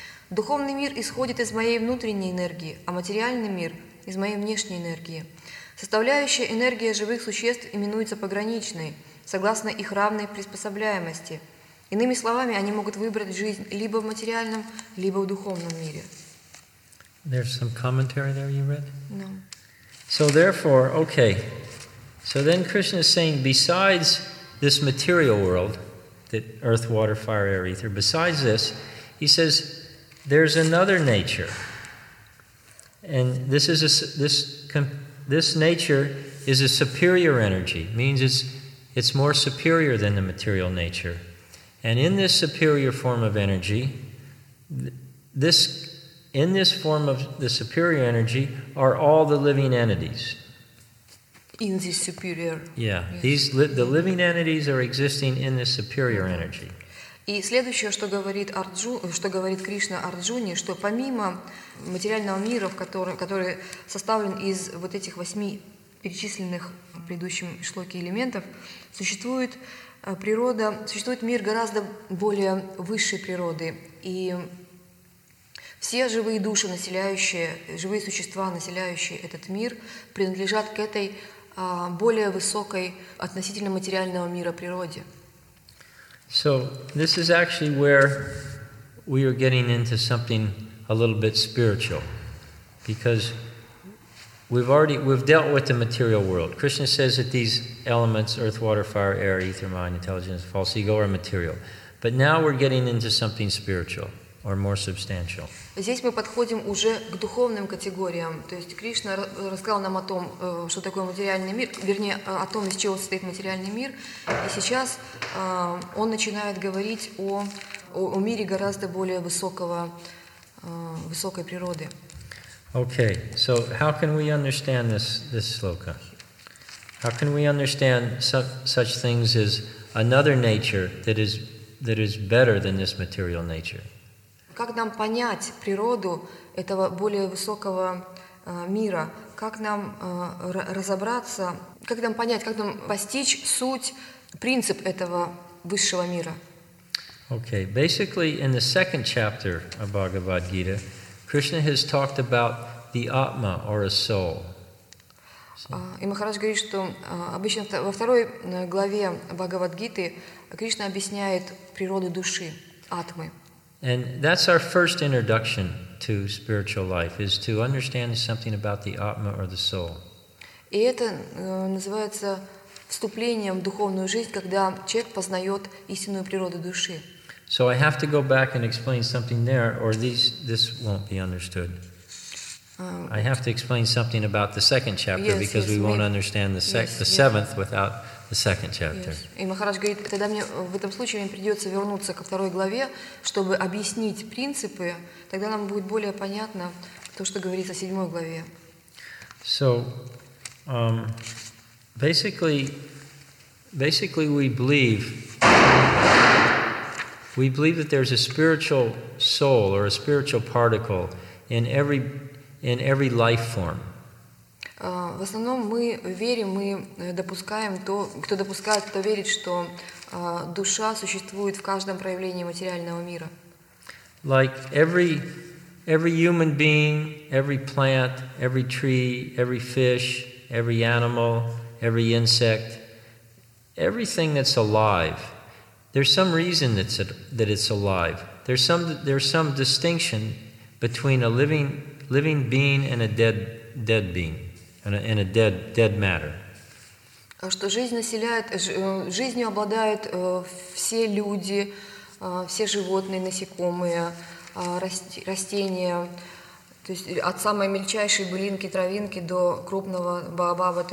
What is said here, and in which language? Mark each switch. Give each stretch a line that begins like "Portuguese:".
Russian: Духовный мир исходит из моей внутренней энергии, а материальный мир – из моей внешней энергии. Составляющая энергия живых существ именуется пограничной, согласно их равной приспособляемости. Иными словами, они могут выбрать жизнь либо в материальном, либо в духовном мире.
English: There's some commentary there you read? No. So therefore, okay. So then Krishna is saying, besides this material world, that earth, water, fire, air, ether, besides this, he says... There's another nature, and this nature is a superior energy. It means it's more superior than the material nature, and in this superior form of energy, this form of the superior energy are all the living entities. In this superior. Yeah, yes. The living entities are existing in this superior energy.
Russian: И следующее, что говорит Кришна Арджуне, что помимо материального мира, который составлен из вот этих восьми перечисленных в предыдущем шлоке элементов, существует природа, существует мир гораздо более высшей природы. И все живые души, населяющие, живые существа, населяющие этот мир, принадлежат к этой более высокой относительно материального мира природе.
English: So this is actually where we are getting into something a little bit spiritual, because we've dealt with the material world. Krishna says that these elements, earth, water, fire, air, ether, mind, intelligence, false ego, are material. But now we're getting into something spiritual or more substantial.
Russian: Здесь мы подходим уже к духовным категориям. То есть Кришна рассказал нам о том, что такое материальный мир, вернее, о том, из чего состоит материальный мир. И сейчас он начинает говорить о о мире гораздо более высокого, высокой природы.
English: Okay, so how can we understand this sloka? How can we understand such things as another nature that is better than this material nature?
Russian: Как нам понять природу этого более высокого мира? Как нам разобраться? Как нам понять? Как нам постичь суть, принцип этого высшего мира?
English: Okay, basically, in the second chapter of Bhagavad Gita, Krishna has talked about the Atma or a soul.
Russian: И Махарадж говорит, что обычно во второй главе Бхагавад-гиты Кришна объясняет природу души, атмы.
English: And that's our first introduction to spiritual life, is to understand something about the Atma or the soul.
Russian: И это называется вступлением в духовную жизнь, когда человек познает истинную природу души.
English: So I have to go back and explain something there, or this won't be understood. I have to explain something about the second chapter because we won't understand the seventh without the second chapter.
Russian: И Махарадж говорит, тогда мне в этом случае мне придется вернуться ко второй главе, чтобы объяснить принципы. Тогда нам будет более понятно то, что говорится в седьмой главе.
English: So, basically, we believe that there's a spiritual soul or a spiritual particle in every life form.
Russian: В основном мы верим, мы допускаем то, кто допускает, кто верит, что душа существует в каждом проявлении материального мира.
English: Like every human being, every plant, every tree, every fish, every animal, every insect, everything that's alive. There's some reason that it's alive. There's some distinction between a living being and a dead being, and a dead matter.
Russian: Что жизнь населяет, жизнью обладают все люди, все животные, насекомые, растения, то есть от самой мельчайшей былинки, травинки до крупного баобаба.